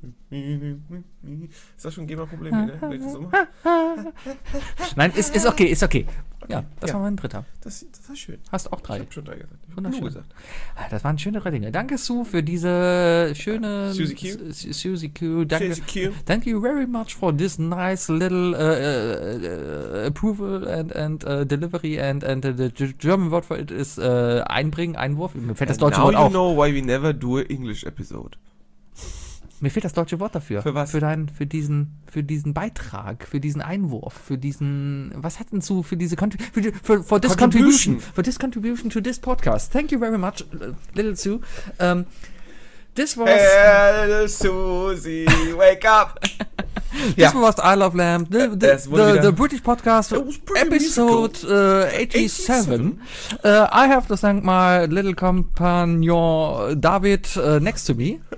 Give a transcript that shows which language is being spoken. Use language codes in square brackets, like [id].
[de] Ist das schon ein GEMA-Problem, ne? Nein, ist okay. Ja, das war mein dritter. Das war schön. Hast auch drei. Ich hab schon drei gesagt. Wunderschön. Gesagt. Das waren schöne drei Dinge. Danke, Sue, für diese schöne... Susie Q. Susie Q. Danke. [en] Thank you very much for this nice little approval and delivery and the German word for it is einbringen, Einwurf. [de] Mir fällt das deutsche Wort auf. [en] Now you know why we never do an English episode. [de] Mir fehlt das deutsche Wort dafür. Für was? Für diesen Beitrag, für diesen Einwurf, für diesen, was hat denn zu, für diese, [en] for this contribution. For this contribution to this podcast. Thank you very much, little Sue. This was... Hey, Susie, wake up! This was Isle of Lamb, the British podcast, episode 87. I have to thank my little companion David next to me.